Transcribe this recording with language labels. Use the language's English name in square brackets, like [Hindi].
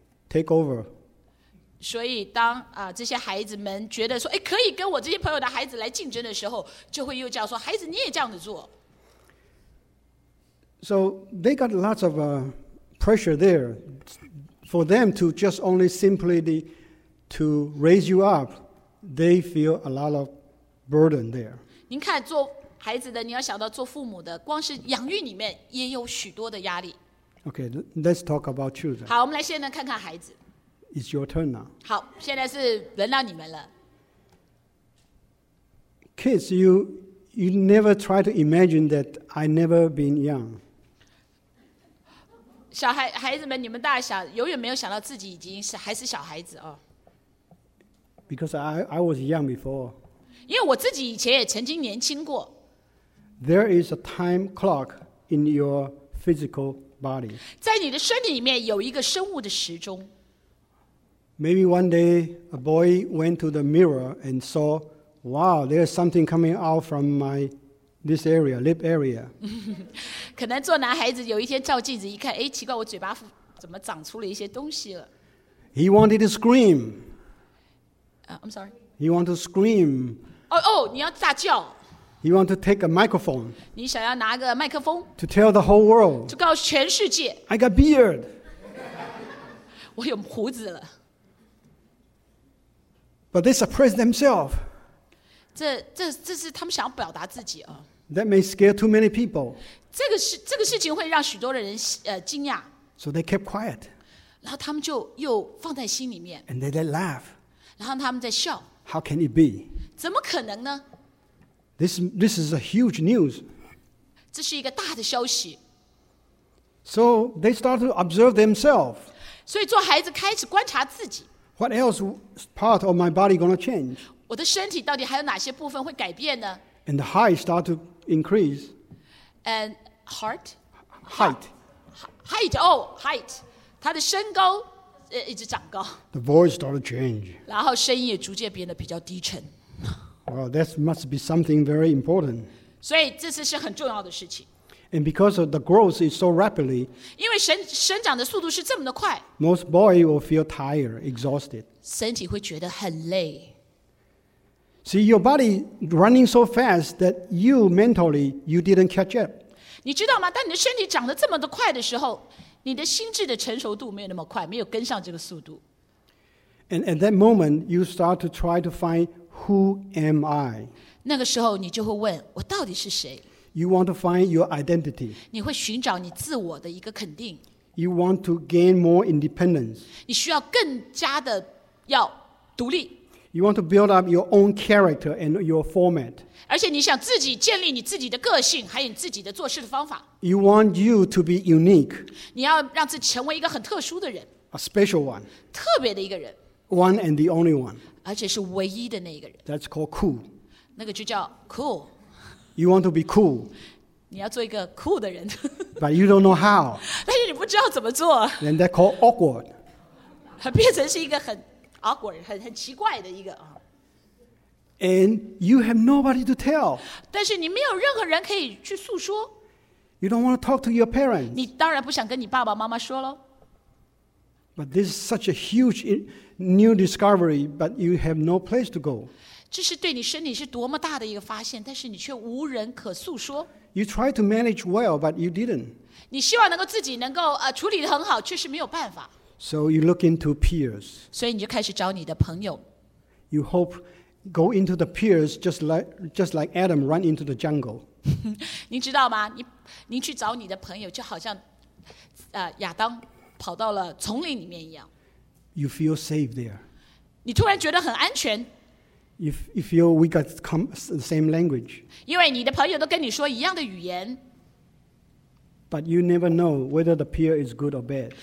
[English] Take over. [Chinese] 所以当这些孩子们觉得说，哎，可以跟我这些朋友的孩子来竞争的时候，就会又叫说，孩子你也这样子做。 [English] So they got lots of pressure there for them to just only simply to raise you up. They feel a lot of burden there. [Chinese] 您看，做孩子的，你要想到做父母的，光是养育里面也有许多的压力。 [English] Okay, let's talk about children. [Chinese] 好，我们来现在看看孩子。 [English] It's your turn now. [Chinese] 好，现在是轮到你们了。 [English] Kids, you never try to imagine that I never been young. [Chinese] 小孩子们，你们大小永远没有想到自己已经是还是小孩子哦。 [English] Because I was young before. [Chinese] 因为我自己以前也曾经年轻过。 [English] There is a time clock in your physical. Body. [Chinese] 在你的身体里面有一个生物的时钟。 [English] Maybe one day a boy went to the mirror and saw, "Wow, there's something coming out from my this area, lip area." [Chinese] 可能做男孩子有一天照镜子一看，哎，奇怪，我嘴巴怎么长出了一些东西了。 [English] He wanted to scream. I'm sorry. He wanted to scream. [Chinese] Oh, 你要大叫。 [English] He wants to take a microphone. [Chinese] 你想要拿个麦克风 [English] To tell the whole world. [Chinese] 就告诉全世界 [English] I got beard. [Chinese] 我有胡子了。 [English] But they suppress themselves. [Chinese] 这是他们想要表达自己啊。 [English] That may scare too many people. [Chinese] 这个事情会让许多的人惊讶。 [English] So they kept quiet. [Chinese] 然后他们就又放在心里面。 [English] And then they laugh. [Chinese] 然后他们在笑。 [English] How can it be? [Chinese] 怎么可能呢？ [English] This is a huge news. [Chinese] 这是一个大的消息。 [English] So they start to observe themselves. [Chinese] 所以做孩子开始观察自己。 [English] What else part of my body going to change? [Chinese] 我的身体到底还有哪些部分会改变呢？ [English] And the height start to increase. And heart? Height. Height, oh, height. [Chinese] 他的身高一直长高。 [English] The voice start to change. [Chinese] 然后声音也逐渐变得比较低沉。 [English] Well, that must be something very important. [Chinese] 所以这次是很重要的事情。 [English] And because of the growth is so rapidly, [Chinese] 因为生长的速度是这么的快, [English] most boys will feel tired, exhausted. [Chinese] 身体会觉得很累。 [English] See, your body running so fast that you mentally, you didn't catch up. [Chinese] 你知道吗? 当你的身体长得这么的快的时候,你的心智的成熟度没有那么快,没有跟上这个速度。 [English] And at that moment, you start to try to find who am I? [Chinese] 那个时候你就会问,我到底是谁? [English] You want to find your identity. [Chinese] 你会寻找你自我的一个肯定。 [English] You want to gain more independence. [Chinese] 你需要更加的要独立。 [English] You want to build up your own character and your format. [Chinese] 而且你想自己建立你自己的个性，还有你自己的做事的方法。 [English] You want you to be unique. [Chinese] 你要让自己成为一个很特殊的人。 [English] A special one. [Chinese] 特别的一个人。 [English] One and the only one. [Chinese] 而且是唯一的那一个人。 [English] That's called cool. [Chinese] 那个就叫 cool. [English] You want to be cool. [Chinese] 你要做一个酷的人。 [English] But you don't know how. [Chinese] 但是你不知道怎么做。 [English] Then that's called awkward. [Chinese] 变成是一个很 awkward, 很奇怪的一个。 [English] And you have nobody to tell. [Chinese] 但是你没有任何人可以去诉说。 [English] You don't want to talk to your parents. [Chinese] 你当然不想跟你爸爸妈妈说咯。 [English] But this is such a huge new discovery, but you have no place to go. [Chinese] 这是对你身体是多么大的一个发现，但是你却无人可诉说。 [English] You try to manage well, but you didn't. [Chinese] 你希望能够自己能够处理得很好，却是没有办法。 [English] So you look into peers. [Chinese] 所以你就开始找你的朋友。 [English] You hope go into the peers just like Adam run into the jungle. [Chinese] 你知道吗？你去找你的朋友，就好像亚当跑到了丛林里面一样。 [English] You feel safe there. [Chinese] 你突然觉得很安全。 [English] If you feel we got the same language. [Chinese] 因为你的朋友都跟你说一样的语言。 [English] But you never know whether the peer is good or bad.